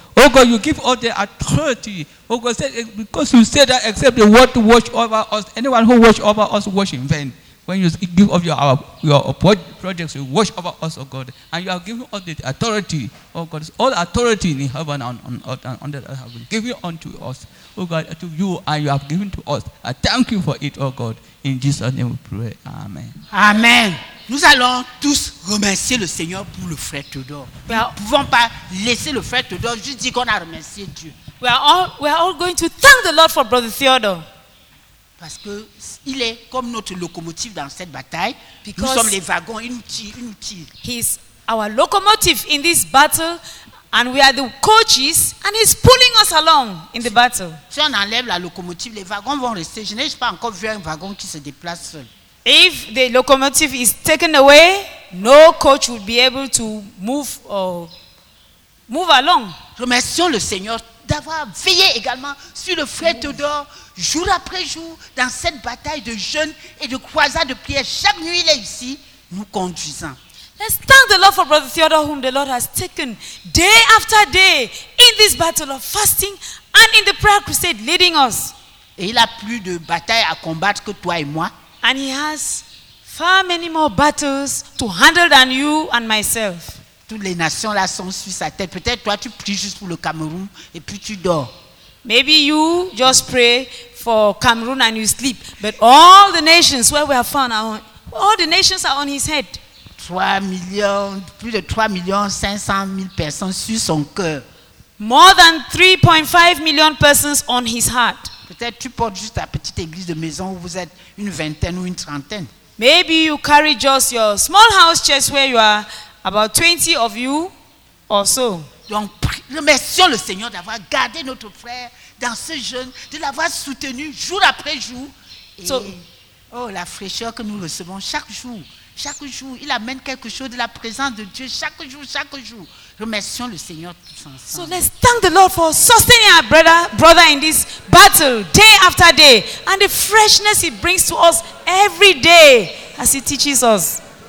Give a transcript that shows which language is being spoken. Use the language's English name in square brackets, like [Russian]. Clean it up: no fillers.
[English] Oh God, you give all the authority. Oh God, because you say that except the word to watch over us, anyone who watch over us, watch in vain. When you give up your projects, you watch over us, oh God. And you are giving all the authority, oh God. All authority in heaven and on the earth have been given unto us, oh God, to you, and you have given to us. I thank you for it, oh God. In Jesus' name we pray. Amen. Amen. [French] Nous allons tous remercier le Seigneur pour le frère Todor. Nous ne pouvons pas laisser le frère Todor juste dire qu'on a remercié Dieu. [English] We are all going to thank the Lord for brother Theodore. [French] Parce que il est comme notre locomotive dans cette bataille. [English] Because [French] nous sommes les wagons, une tire. [English] He's our locomotive in this battle, and we are the coaches, and he's pulling us along in the battle. [French] Si on enlève la locomotive, les wagons vont rester. Je n'ai pas encore vu un wagon qui se déplace seul. [English] If the locomotive is taken away, no coach will be able to move along. [French] Remercions le Seigneur d'avoir veillé également sur le frère Todor jour après jour dans cette bataille de jeûne et de croisade de prière. Chaque nuit, il est ici, nous conduisant. [English] Let's thank the Lord for brother Theodore, whom the Lord has taken day after day in this battle of fasting and in the prayer crusade leading us. [French] Et il a plus de batailles à combattre que toi et moi. [English] And he has far many more battles to handle than you and myself. [French] Toutes les nations là sont sur sa tête. Peut-être toi tu pries juste pour le Cameroun et puis tu dors. [English] Maybe you just pray for Cameroon and you sleep. But all the nations where we are found, all the nations are on his head. [French] 3,500,000 personnes sur son cœur. [English] More than 3.5 million persons on his heart. [French] Peut-être tu portes juste ta petite église de maison où vous êtes une vingtaine ou une trentaine. [English] Maybe you carry just your small house chest where you are. About 20 of you or so. [French] Donc, remercions le Seigneur d'avoir gardé notre frère dans ce jeûne, de l'avoir soutenu jour après jour. Et, so, oh, la fraîcheur que nous recevons chaque jour, il amène quelque chose de la présence de Dieu chaque jour, remercions le Seigneur tous ensemble. [English] So let's thank the Lord for sustaining our brother in this battle day after day and the freshness he brings to us every day as he teaches us.